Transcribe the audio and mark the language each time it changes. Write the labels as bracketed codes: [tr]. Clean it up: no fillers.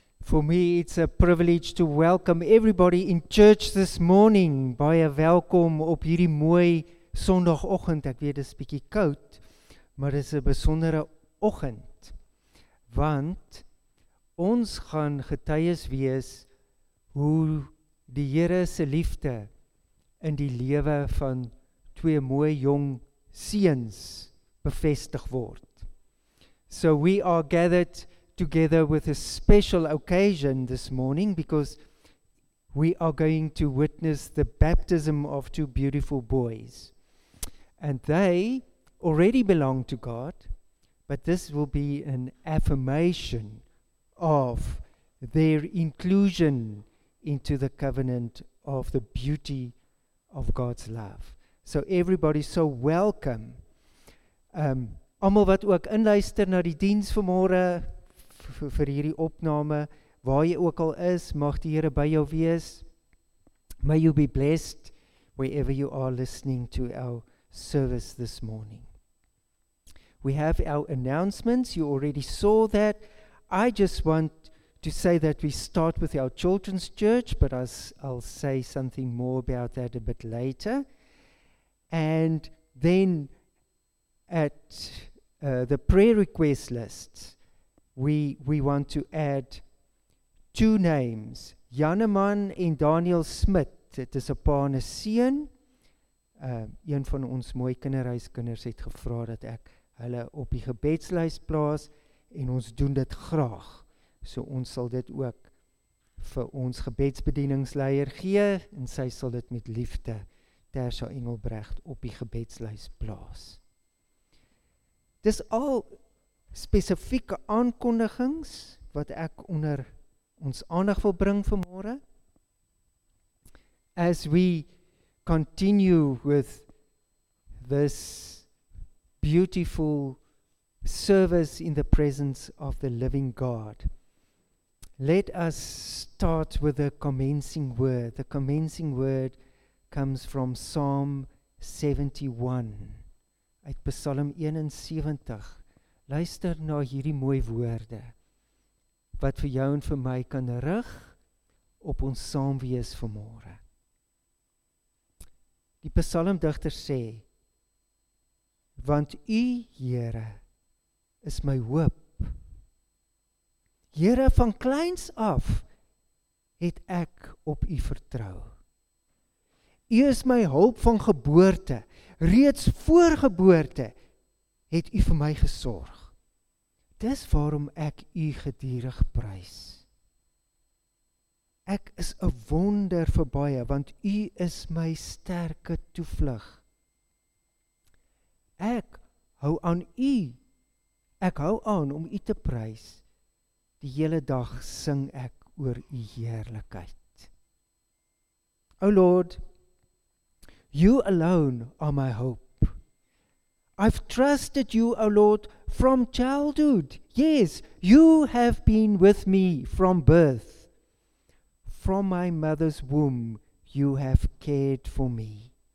[en] For me, it's a privilege to welcome everybody in church this morning. [af] Baie welkom op hierdie mooi Sondagoggend. Ek weet, dis bietjie koud, maar dis 'n besondere oggend. Want ons gaan getuies wees hoe die Here se liefde in die lewe van twee mooi jong seuns bevestig word. [en] So we are gathered together with a special occasion this morning because we are going to witness the baptism of two beautiful boys. And they already belong to God, but this will be an affirmation of their inclusion into the covenant of the beauty of God's love. So everybody, so welcome. [af] Almal wat ook inluister na die diens vanmôre, vir hierdie opname, waar jy ook al is, mag die Here by jou wees. [en] May you be blessed wherever you are listening to our service this morning. We have our announcements. You already saw that. I just want to say that we start with our children's church, but I'll say something more about that a bit later. And then at the prayer request list, we want to add two names, Janeman en Daniel Smit. [af] Dit is 'n pa en 'n seun. Een van ons mooi kinderhuiskinders het gevra dat ek hulle op die gebedslys plaas en ons doen dit graag. So ons sal dit ook vir ons gebedsbedieningsleier gee en sy sal dit met liefde Tersa Engelbrecht op die gebedslys plaas. Dis al spesifieke aankondigings wat ek onder ons aandag wil bring vanmôre. [en] As we continue with this beautiful service in the presence of the living God, let us start with the commencing word. The commencing word comes from Psalm 71. [af] Uit Psalm 71. Luister na hierdie mooi woorde wat vir jou en vir my kan rig op ons saam wees vanmôre. Die psalmdigter sê, want U, Here, is my hoop. Here, van kleins af het ek op U vertrou. U is my hulp van geboorte. Reeds voor geboorte het U vir my gesorg. Dis waarom ek U gedurig prys. Ek is 'n wonder vir baie, want U is my sterke toevlug. Ek hou aan U. Ek hou aan om U te prys. Die hele dag sing ek oor U heerlikheid. [en] O Lord, You alone are my hope. I've trusted You, O Lord, from childhood. Yes, You have been with me from birth. From my mother's womb, You have cared for me.